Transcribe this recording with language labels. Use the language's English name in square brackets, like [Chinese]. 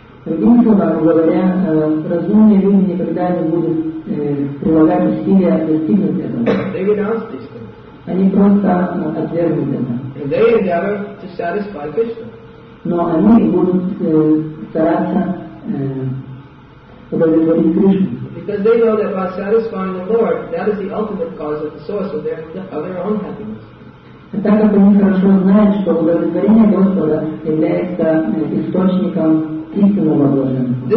[Russian] Другими словами говоря, разумные люди никогда не будут прилагать усилия достигнуть этого. Они просто отвергнут это. Но они будут стараться удовлетворить Кришну. [English] Because they know that by satisfying the Lord, that is the ultimate cause of the source of their own happiness. [Russian] Так как они хорошо знают, что удовлетворение Господа является источником истинного блаженства.